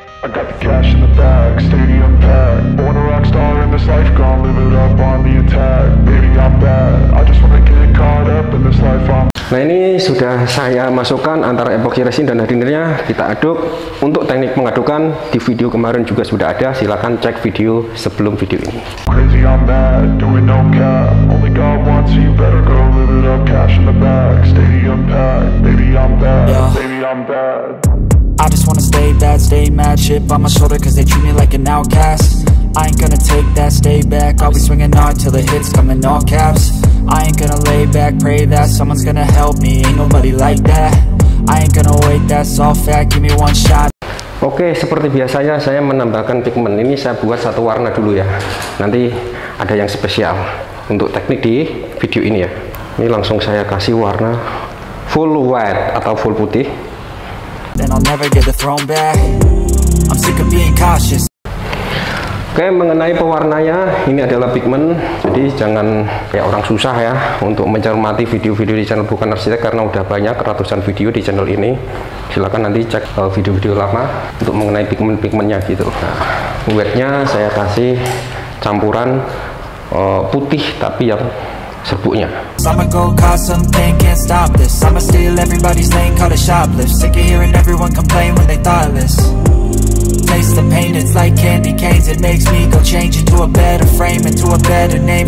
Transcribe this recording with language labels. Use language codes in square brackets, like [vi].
[en] I got the cash in the bag, stadium pad. Born a rock star in this life, gon' live it up on the attack. Baby, I'm bad, I just wanna get caught up in this life. [id] I'm... Nah, ini sudah saya masukkan antara epoxy resin dan hardenernya, kita aduk. Untuk teknik pengadukan di video kemarin juga sudah ada, silakan cek video sebelum video ini. [en] Crazy on that, doing no cap. Only God wants you, better go live it up. Cash in the bag, stadium pad. Baby, I'm bad, baby, I'm bad. I just wanna stay bad, stay mad, chip on my shoulder cause they treat me like an outcast. I ain't gonna take that, stay back, I'll be swinging hard till the hits come in all caps. I ain't gonna lay back, pray that someone's gonna help me, ain't nobody like that. I ain't gonna wait, that's all fact, give me one shot. [id] Oke, seperti biasanya saya menambahkan pigment, ini saya buat satu warna dulu ya, nanti ada yang spesial untuk teknik di video ini ya. Ini langsung saya kasih warna full white atau full putih. Then I'll never get the throne back. [en] I'm sick of being cautious. [id] Oke, mengenai pewarnanya, ini adalah pigment, jadi jangan kayak orang susah ya untuk mencermati video-video di channel Bukan Arsitek, karena udah banyak ratusan video di channel ini. Silakan nanti cek video-video lama untuk mengenai pigment-pigmentnya gitu. Nah, wetnya saya kasih campuran putih tapi yang serbuknya. [en] I'ma go cause something, can't stop this. I'ma steal everybody's lane, call it shoplift. Sick of hearing everyone complain when they thoughtless. Taste the pain, it's like candy canes. It makes me go change into a better frame, into a better name.